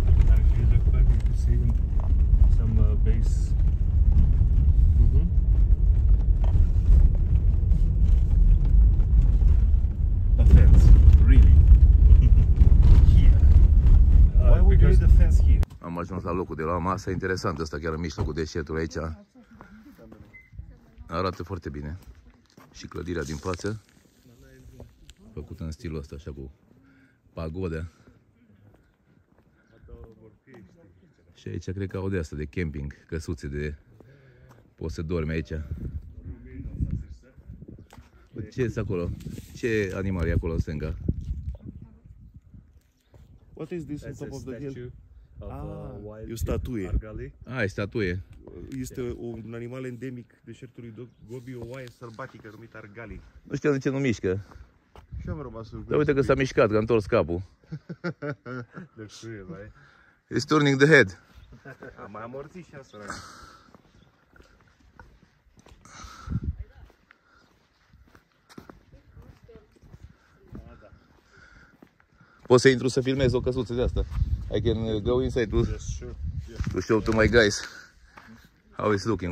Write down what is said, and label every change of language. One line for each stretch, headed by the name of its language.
English: And if you look back, you can see some base. Mm-hmm. A fence, really? Here. Why would there be a fence here?
Romanian: Am ajuns la locul de la masă. Interesant, asta chiar în mijlocul deșertului aici. Arată foarte bine. Și clădirea din față, făcută în stilul ăsta, așa cu pagodea. Și aici cred că au de asta, de camping, căsuțe de... Poți să dormi aici. Ce este acolo? Ce animal e acolo în stânga?
English: What is this on top of the hill? Ah,
Romanian: e o statuie. Ah, e statuie. Este un animal endemic deșertului Gobi, o oaie sălbatică numită Argali. Nu știu de ce nu mișcă. Și am rămas surprins. Dar uite că s-a mișcat, că a întors capul. De cuie, bai.
English: It's turning the head.
Romanian: A mai amorțit și asta. Poți să intru să filmezi o căsuță de asta?
English: I can go inside to, yes, sure. Yeah. To show to my guys how it's looking.